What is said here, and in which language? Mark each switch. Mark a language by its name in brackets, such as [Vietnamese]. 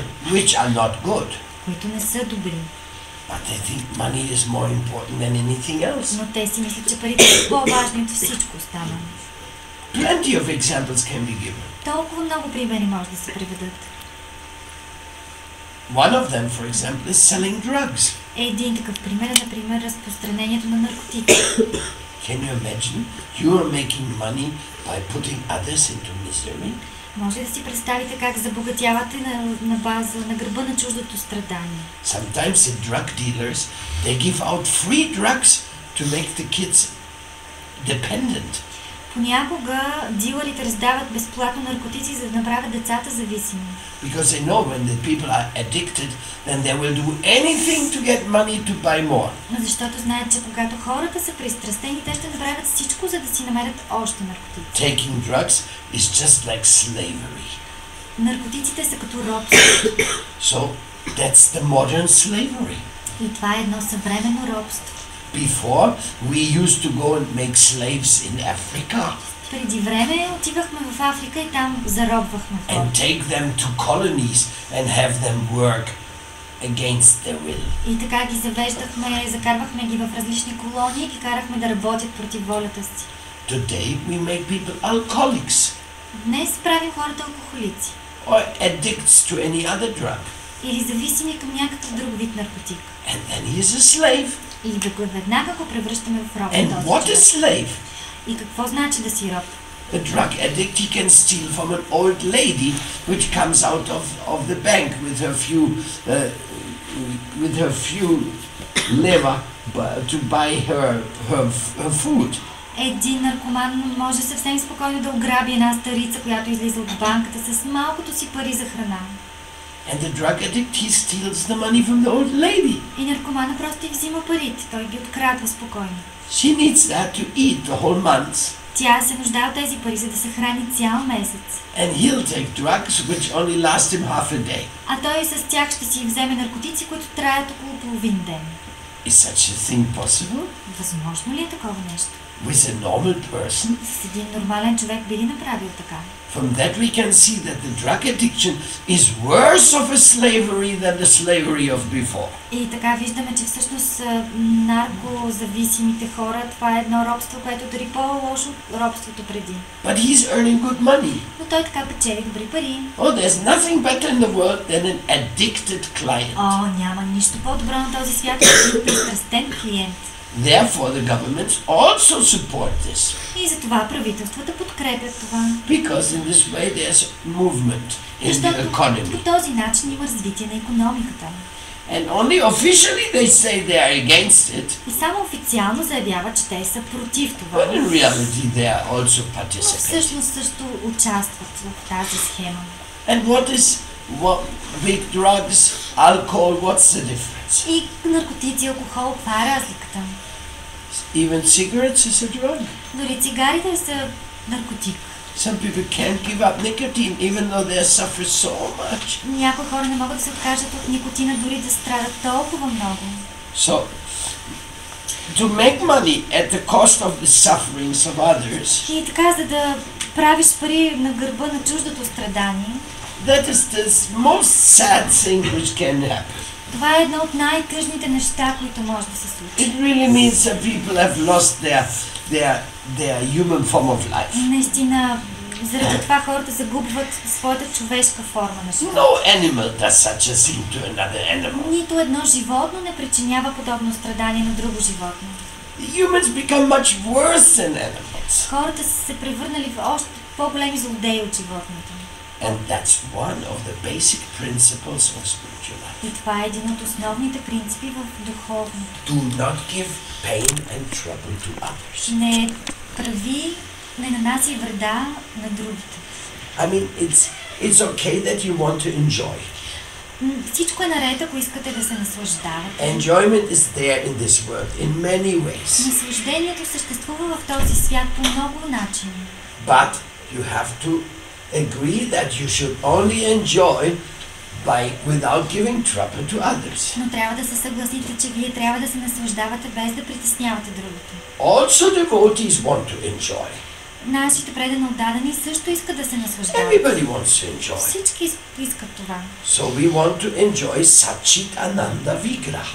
[English] Which are not good. [Bulgarian] Които не са добри. [English] But they think money is more important than anything else. [Bulgarian] Но те си мислят, че парите са по-важни от всичко останало. [English] Plenty of examples can be given. [Bulgarian] Толкова много примери може да се приведат. [English] One of them, for example, is selling drugs. [Bulgarian] Един такъв пример е, например, разпространението на наркотици. [English] Can you imagine? You are making money by putting others into misery. [Bulgarian] Може да си представите как забогатявате на база на гърба на чуждото страдание. [English] Sometimes the drug dealers, they give out free drugs to make the kids dependent. [Bulgarian] Понякога дилърите раздават безплатно наркотици, за да направят децата зависими. [English] Because they know when the people are addicted, then they will do anything to get money to buy more. [Bulgarian] Защото знаят, че когато хората са пристрастени, те ще направят всичко, за да си намерят още наркотици. [English] Taking drugs is just like slavery. [Bulgarian] Наркотиците са като робство. [English] So that's the modern slavery. [Bulgarian] И това е едно съвременно робство. [English] Before we used to go and make slaves in Africa. [Bulgarian] Преди време отивахме в Африка и там заробвахме хора. [English] And take them to colonies and have them work against their will. [Bulgarian] И така ги завеждахме, закарвахме ги в различни колонии и ги карахме да работят против волята си. [English] Today we make people alcoholics. [Bulgarian] Днес правим хората алкохолици. [English] Or addicts to any other drug. [Bulgarian] Или зависими към някакъв друг вид наркотик. [English] And then he is a slave. [Bulgarian] И веднага го превръщаме в роб. [English] And what is slave? [Bulgarian] И какво значи да си роб? [English] A drug addict, he can steal from an old lady which comes out of the bank with her few leva to buy her food. [Bulgarian] Един наркоман може съвсем спокойно да ограби една старица, която излиза от банката с малкото си пари за храна. [English] And the drug addict, he steals the money from the old lady. [Bulgarian] И наркоманът просто взима парите, той ги открадва спокойно. [English] She needs that to eat the whole month. [Bulgarian] Тя се нуждае от тези пари, за да се храни цял месец. [English] And he'll take drugs which only last him half a day. [Bulgarian] А той с тях ще си вземе наркотици, които траят около половин ден. [English] Is such a thing possible? [Bulgarian] Възможно ли е такова нещо? [English] With a normal person? [Bulgarian] С един нормален човек би ли направил така? [English] From that we can see that the drug addiction is worse of a slavery than the slavery of before. [Bulgarian] И така виждаме, че всъщност наркозависимите хора, това е едно робство, което дори по-лошо от робството преди. [English] But he's earning good money. [Bulgarian] Но той така печели добри пари. [English] Oh, there's nothing better in the world than an addicted client. [Bulgarian] О, няма нищо по-добро на този свят, като един пристрастен клиент. [English] Therefore, the governments also support this. [Bulgarian] И затова правителствата подкрепят това. [English] Because in this way there's movement in the economy. [Bulgarian] По този начин има развитие на икономиката. [English] And only officially they say they are against it. [Bulgarian] И само официално заявяват, че те са против това. [English] But in reality they are also participating. [Bulgarian] Всъщност също участват в тази схема. [English] And what is what big drugs, alcohol, what's the difference? [Bulgarian] И наркотици, алкохол, каква е разликата? [English] Even cigarettes is a drug. [Bulgarian] Дори цигарите са наркотик. [English] Some people can't give up nicotine even though they suffer so much. [Bulgarian] Някои хора не могат да се откажат от никотина дори да страдат толкова много. [English] So, to make money at the cost of the sufferings of others. [Bulgarian] И така, за да правиш пари на гърба на чуждото страдание. [English] That is the most sad thing which can happen. [Bulgarian] Това е едно от най-тъжните неща, които може да се случи. [English] It really means that people have lost their human form of life. [Bulgarian] Наистина, заради това хората загубват своята човешка форма на живот. [English] No animal does such a thing to another animal. [Bulgarian] Нито едно животно не причинява подобно страдание на друго животно. [English] Humans become much worse than animals. [Bulgarian] Хората са се превърнали в още по-големи злодеи от животните. [English] And that's one of the basic principles of spiritual life. [Bulgarian] И това е един от основните принципи в духовното. [English] Do not give pain and trouble to others. [Bulgarian] Не прави, не нанаси вреда на другите. [English] I mean, it's okay that you want to enjoy. [Bulgarian] Всичко е наред, ако искате да се наслаждавате. [English] Enjoyment is there in this world in many ways. [Bulgarian] Наслаждението съществува в този свят по много начини. [English] But you have to agree that you should only enjoy by without giving trouble to others. [Bulgarian] Но трябва да се съгласите, че вие трябва да се наслаждавате без да притеснявате другите. [English] Also devotees want to enjoy. [Bulgarian] Нашите предано отдадени също искат да се наслаждават. [English] Everybody wants to enjoy. [Bulgarian] Всички искат това. [English] So we want to enjoy Satchit Ananda Vigraha.